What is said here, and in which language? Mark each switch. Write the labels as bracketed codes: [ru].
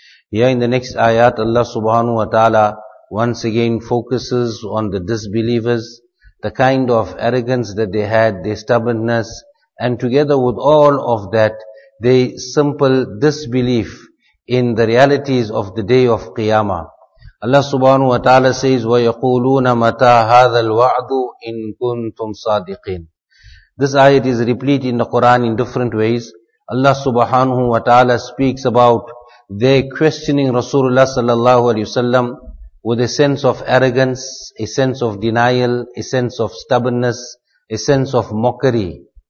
[en] Here in the next ayat, Allah subhanahu wa ta'ala once again focuses on the disbelievers, the kind of arrogance that they had, their stubbornness, and together with all of that, their simple disbelief in the realities of the day of Qiyamah. Allah subhanahu wa ta'ala says, [ar] وَيَقُولُونَ مَتَى هَذَا الْوَعْدُ إِن كُنْتُمْ صَادِقِينَ. [en] This ayat is replete in the Quran in different ways. Allah subhanahu wa ta'ala speaks about their questioning Rasulullah sallallahu alayhi wa sallam with a sense of arrogance, a sense of denial, a sense of stubbornness, a sense of mockery.